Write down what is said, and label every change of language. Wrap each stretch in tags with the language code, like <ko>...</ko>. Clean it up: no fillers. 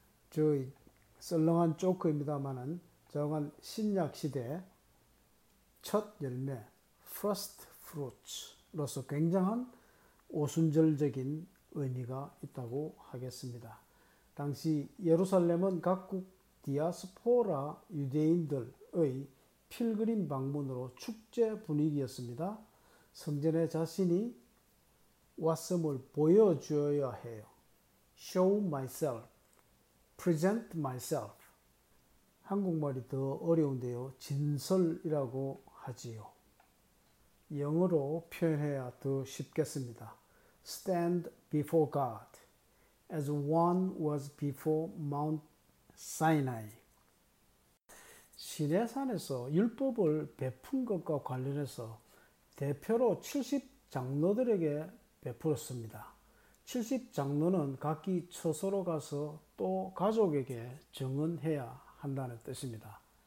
<ko>저의 썰렁한 조크입니다만은 저건 신약시대 첫 열매, first fruits로서 굉장한 오순절적인 의미가 있다고 하겠습니다. 당시 예루살렘은 각국 디아스포라 유대인들의 필그림 방문으로 축제 분위기였습니다. 성전에 자신이 왔음을 보여줘야 해요.</ko> <en>Show myself, present myself.</en> <ko>한국말이 더 어려운데요. 진설이라고 하지요. 영어로 표현해야 더 쉽겠습니다.</ko> <en>Stand before God, as one was before Mount Sinai.</en> <ko>시내산에서 율법을 베푼 것과 관련해서 대표로 70 장로들에게 베풀었습니다. 70 장로는 각기 처소로 가서 또 가족에게 증언해야 한다는 뜻입니다.</ko>